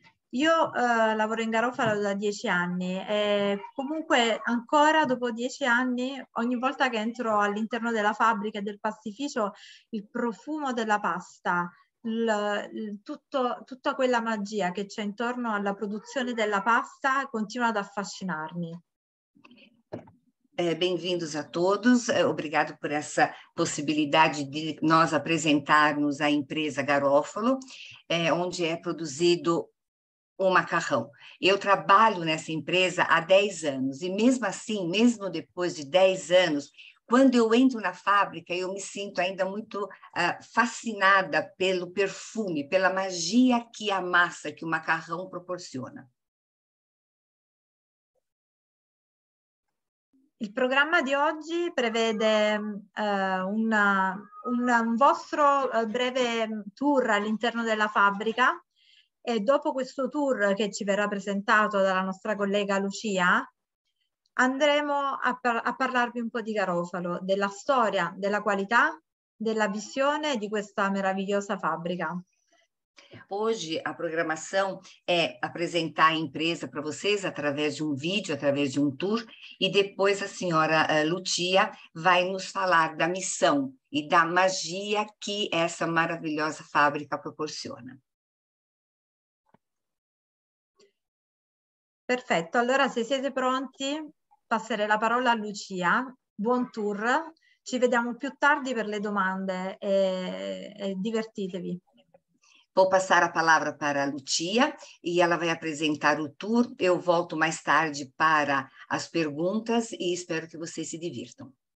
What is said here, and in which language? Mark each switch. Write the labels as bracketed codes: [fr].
[it] Io lavoro in Garofalo da 10 anni e comunque ancora dopo 10 anni, ogni volta che entro all'interno della fabbrica e del pastificio, il profumo della pasta, tutta quella magia che c'è intorno alla produzione della pasta continua ad affascinarmi. [pt] Bem-vindos a todos, obrigado por essa possibilidade de nós apresentarmos a empresa Garofalo, onde é produzido o macarrão. Eu trabalho nessa empresa há 10 anos e mesmo assim, mesmo depois de 10 anos, quando eu entro na fábrica, eu me sinto ainda muito fascinada pelo perfume, pela magia que a massa, que o macarrão proporciona. [it] Il programma di oggi prevede un vostro breve tour all'interno della fabbrica. E dopo questo tour che ci verrà presentato dalla nostra collega Lucia, andremo a parlarvi un po' di Garofalo, della storia, della qualità, della visione di questa meravigliosa fabbrica. [pt] Hoje a programação é apresentar a empresa para vocês através de um vídeo, através de um tour, e depois a senhora Lucia vai nos falar da missão e da magia que essa maravilhosa fábrica proporciona. [it] Perfetto, allora se siete pronti, passerei la parola a Lucia. Buon tour, ci vediamo più tardi per le domande e divertitevi. [pt] Vou passar a palavra para a Lucia e ela vai apresentar o tour. Eu volto mais tarde para as perguntas e espero que vocês se divirtam.